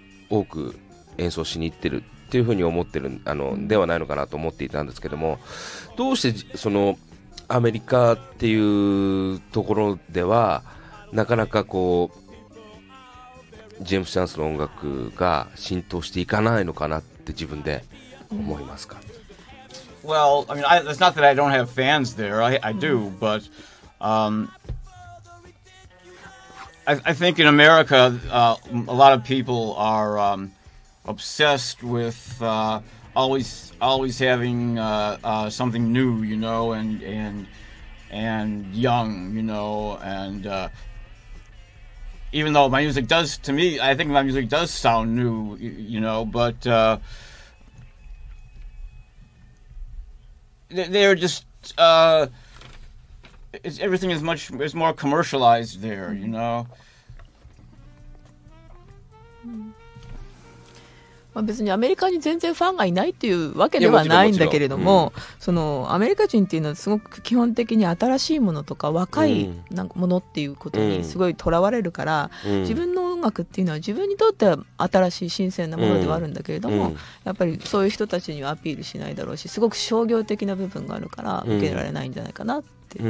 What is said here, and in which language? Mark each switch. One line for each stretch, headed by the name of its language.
Japanese: 多く演奏しに行ってるっていうふうに思ってるあのではないのかなと思っていたんですけども、どうしてそのアメリカっていうところではなかなかこうジェームス・チャンスの音楽が浸透していかないのかなって自分で思いますか？うん、
English: Well, I mean, it's not that I don't have fans there. I do, but I think in America, a lot of people are obsessed with always having something new, you know, and young, you know, and even though my music does, to me, I think my music does sound new, you know, but... They're just it's everything is much is more commercialized there, you know.
Japanese: まあ別にアメリカに全然ファンがいないっていうわけではないんだけれども、うん、そのアメリカ人っていうのはすごく基本的に新しいものとか若いなんかものっていうことにすごいとらわれるから、うん、自分の音楽っていうのは自分にとっては新しい新鮮なものではあるんだけれども、うん、やっぱりそういう人たちにはアピールしないだろうし、すごく商業的な部分があるから受けられないんじゃないかなって、